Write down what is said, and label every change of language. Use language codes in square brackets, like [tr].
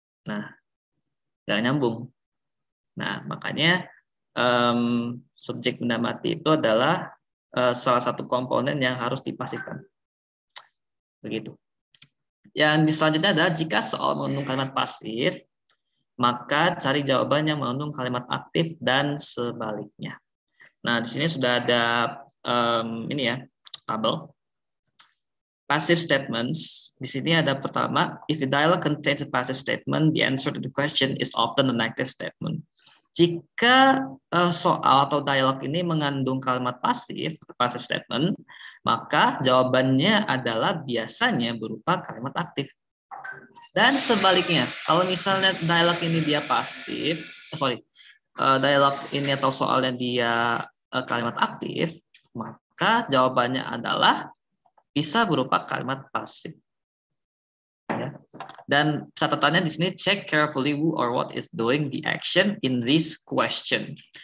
[id] Nah, nggak nyambung. Nah, makanya subjek benda mati itu adalah salah satu komponen yang harus dipasifkan. Begitu. Yang selanjutnya adalah jika soal mengandung kalimat pasif, maka cari jawaban yang mengandung kalimat aktif dan sebaliknya. Nah, di sini sudah ada ini ya, tabel. [en] Passive statements. [id] Di sini ada pertama, [en] if the dialogue contains a passive statement, the answer to the question is often an active statement. [id] Jika soal atau dialog ini mengandung kalimat pasif, passive statement, maka jawabannya adalah biasanya berupa kalimat aktif. Dan sebaliknya, kalau misalnya dialog ini dia pasif, dialog ini atau soalnya dia kalimat aktif, maka jawabannya adalah bisa berupa kalimat pasif. Ya. Dan catatannya di sini, [en] check carefully who or what is doing the action in this question.